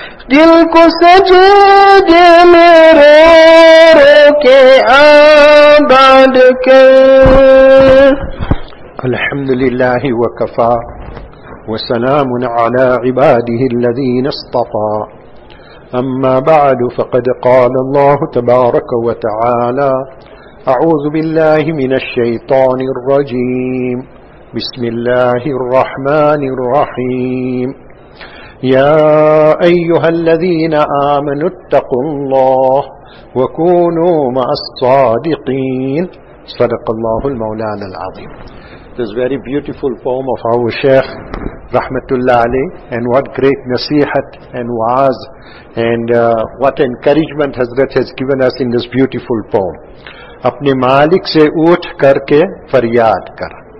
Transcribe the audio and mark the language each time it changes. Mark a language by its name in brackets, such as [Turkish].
[Urdu] دل کو سجدے میں رو رو کے آباد کر [Arabic] الحمدللہ وکفا وسلام على عباده الذين اصطفى أما بعد فقد قال الله تبارك وتعالى أعوذ بالله من الشيطان الرجيم بسم الله الرحمن الرحيم يا أيها الذين آمنوا اتقوا الله وكونوا مع الصادقين صدق الله المولانا العظيم. [English] This very beautiful poem of our Shaykh Rahmatullah Ali, and what great nasihat and waaz and what encouragement Hazrat has given us in this beautiful poem. [Urdu] Apne malik se uth karke faryad kar.